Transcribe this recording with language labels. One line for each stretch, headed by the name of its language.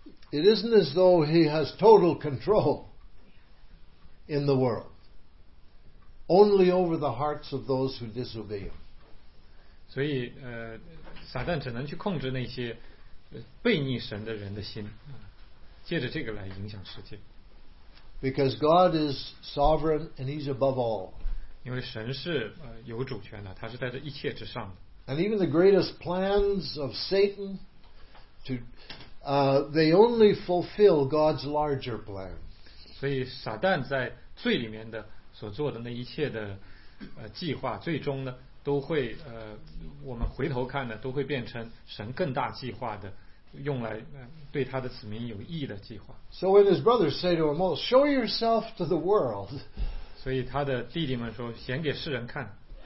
English: It isn't as though he has total control in the world only over the hearts of those who disobey him
Chinese: 所以、撒旦只能去控制那些悖逆神的人的心、借着这个来影响世界
English: Because God is sovereign and he's above all
Chinese: 因为神是、有主权的他是在这一切之上的
English: and even the greatest plans of Satan to,、they only fulfill God's larger plan
Chinese: 所以撒旦在罪里面的所做的那一切的、计划最终呢都会、我们回头看呢都会变成神更大计划的用来、对他的子民有益的计划
English: so when his brothers say to him oh, show yourself to the world
Chinese: 所以他的弟弟们说显给世人看、